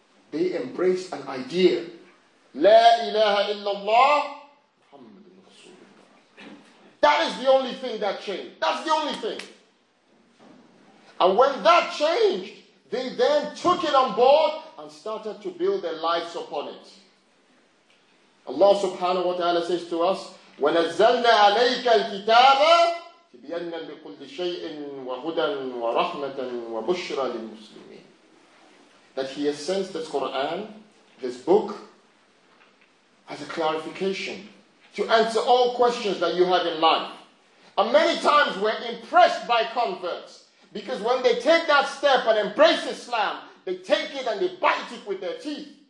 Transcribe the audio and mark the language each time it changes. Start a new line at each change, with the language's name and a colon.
English: They embrace an idea.
Arabic: La ilaha illallah Muhammadun Rasulullah.
English: That is the only thing that changed. That's the only thing. And when that changed, they then took it on board and started to build their lives upon it.
Arabic: Allah subhanahu wa ta'ala
English: says to us,
Arabic: وَنَزَّلْنَا عَلَيْكَ الْكِتَابَ تِبْيَنَّا بِكُلِّ شَيْءٍ وَهُدًى وَرَحْمَةً وَبُشْرًا لِلْمُسْلِمِينَ.
English: That he has sent this Quran, this book, as a clarification to answer all questions that you have in life. And many times we're impressed by converts because when they take that step and embrace Islam, they take it and they bite it with their teeth.